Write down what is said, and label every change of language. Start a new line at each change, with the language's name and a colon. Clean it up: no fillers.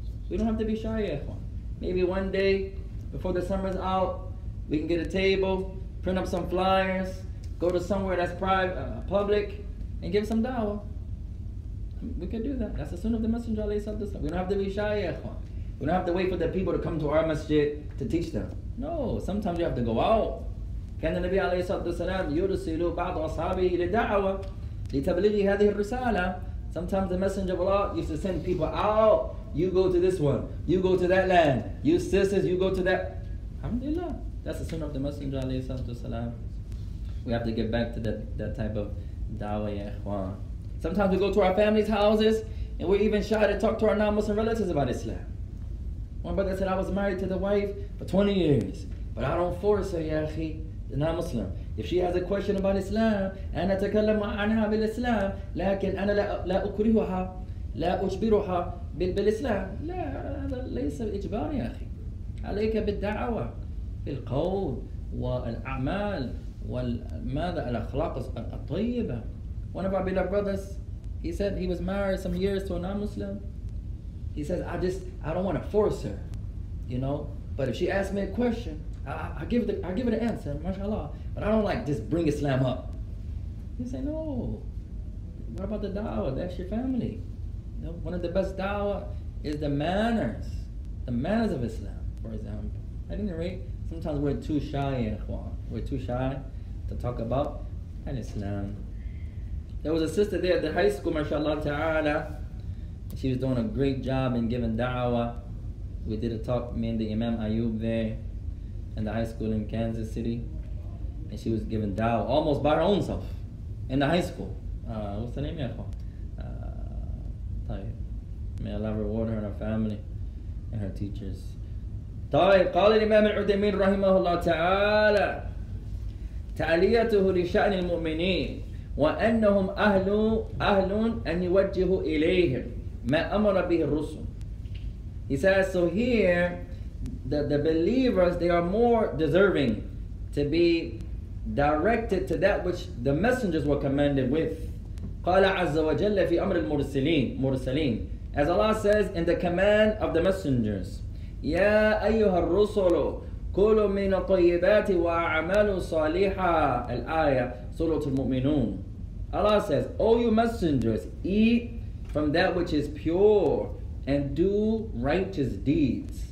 English: We don't have to be shy, ikhwan. Maybe one day, before the summer's out, we can get a table, print up some flyers, go to somewhere that's public, and give some da'wah. We could do that. That's the sunnah of the messenger, alayhi salatu wasalam. We don't have to be shy, ikhwan. We don't have to wait for the people to come to our masjid to teach them. No, sometimes you have to go out. كان النبي عليه الصلاة والسلام يرسل بعض أصحابه للدعوة لتبليغ هذه الرسالة. Sometimes the messenger of Allah used to send people out. You go to this one. You go to that land. You sisters, you go to that. Alhamdulillah. That's the sunnah of the messenger عليه الصلاة والسلام. We have to get back to that type of da'wah, ya ikhwan. Sometimes we go to our family's houses and we're even shy to talk to our non-Muslim relatives about Islam. One brother said, I was married to the wife for 20 years, but I don't force her, ya akhi, the non-Muslim. If she has a question about Islam,
Arabic: أنا أتكلم عنها بالإسلام, لكن أنا لا أكرهها, لا أجبرها بالإسلام. لا, هذا ليس إجبار, يا أخي. عليك بالدعوة, بالقول, والأعمال, والماذا, الأخلاق الطيبة.
English: One of our beloved brothers, he said he was married some years to a non-Muslim. He says, I don't want to force her, you know? But if she asks me a question, I give her an answer, mashallah. But I don't like just bring Islam up. He say, no. What about the da'wah? That's your family. You know, one of the best da'wah is the manners of Islam, for example. At any rate, sometimes we're too shy, ikhwan. We're too shy to talk about Islam. There was a sister there at the high school, mashallah ta'ala. She was doing a great job in giving da'wah. We did a talk, me and the Imam Ayub there in the high school in Kansas City. And she was giving da'wah almost by her own self in the high school. What's the name, ya khwan? May Allah reward her and her family and her teachers.
Arabic: طيب قال الإمام العثيمين رحمه الله تعالى تعليته لشأن المؤمنين وأنهم أهل أن يوجهوا إليهم ما أمر به الرسل.
English: He says, so here, the believers, they are more deserving to be directed to that which the messengers were commanded with.
Arabic: قال عز وجل في أمر المرسلين مرسلين.
English: As Allah says in the command of the messengers,
Arabic: يا أيها الرسل كل من الطيبات وأعمال صالحة الآية سورة المؤمنون.
English: Allah says, O you messengers, eat from that which is pure and do righteous deeds.